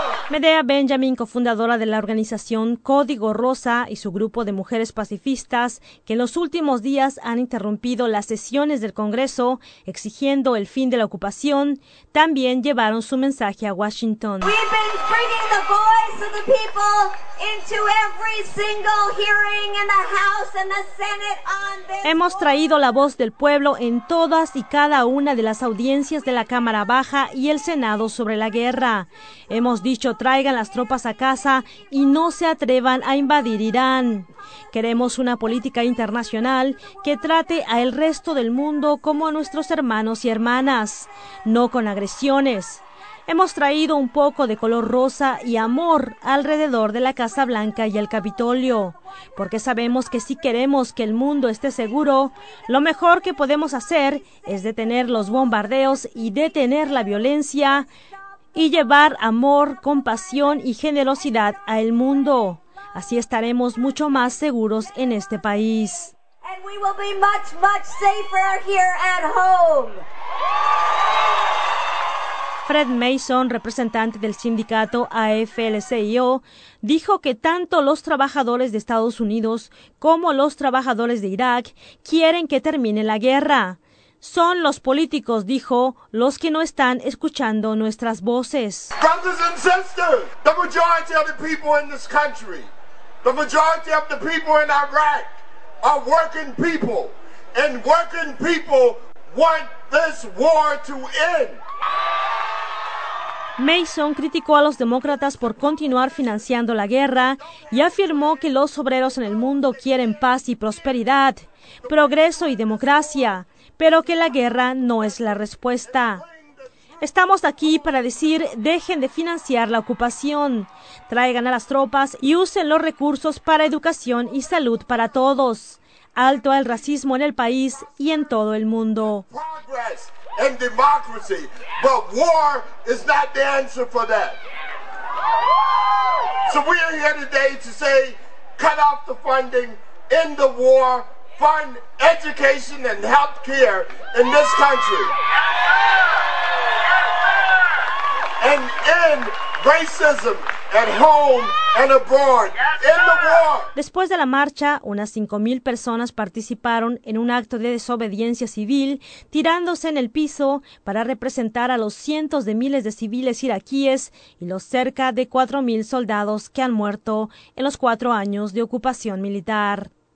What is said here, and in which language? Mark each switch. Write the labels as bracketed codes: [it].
[es] Medea Benjamin, cofundadora de la organización Código Rosa y su grupo de mujeres pacifistas, que en los últimos días han interrumpido las sesiones del Congreso exigiendo el fin de la ocupación, también llevaron su mensaje a Washington. [en] We've been bringing the voice of the people into every single hearing in the House and the Senate on this. [es] Hemos traído la voz del pueblo en todas y cada una de las audiencias de la Cámara Baja y el Senado sobre la guerra. Hemos dicho: traigan las tropas a casa y no se atrevan a invadir Irán. Queremos una política internacional que trate a el resto del mundo como a nuestros hermanos y hermanas, no con agresiones. Hemos traído un poco de color rosa y amor alrededor de la Casa Blanca y el Capitolio, porque sabemos que si queremos que el mundo esté seguro, lo mejor que podemos hacer es detener los bombardeos y detener la violencia y llevar amor, compasión y generosidad al mundo. Así estaremos mucho más seguros en este país. [en] And we will be much, much safer here at home. [es] Fred Mason, representante del sindicato AFL-CIO, dijo que tanto los trabajadores de Estados Unidos como los trabajadores de Irak quieren que termine la guerra. Son los políticos, dijo, los que no están escuchando nuestras voces. [en] Brothers and sisters, the majority of the people in this country, the majority of the people in Iraq are working people, and working people want this war to end. [es] Mason criticó a los demócratas por continuar financiando la guerra y afirmó que los obreros en el mundo quieren paz y prosperidad, progreso y democracia, pero que la guerra no es la respuesta. Estamos aquí para decir: dejen de financiar la ocupación, traigan a las tropas y usen los recursos para educación y salud para todos. Alto al racismo en el país y en todo el mundo. [en] And democracy, but war is not the answer for that. So we are here today to say, cut off the funding, end the war, fund education and health care in this country, and end racism at home and abroad. End the war. [es] Después de la marcha, unas 5,000 personas participaron en un acto de desobediencia civil, tirándose en el piso para representar a los cientos de miles de civiles iraquíes y los cerca de 4,000 soldados que han muerto en los 4 años de ocupación militar.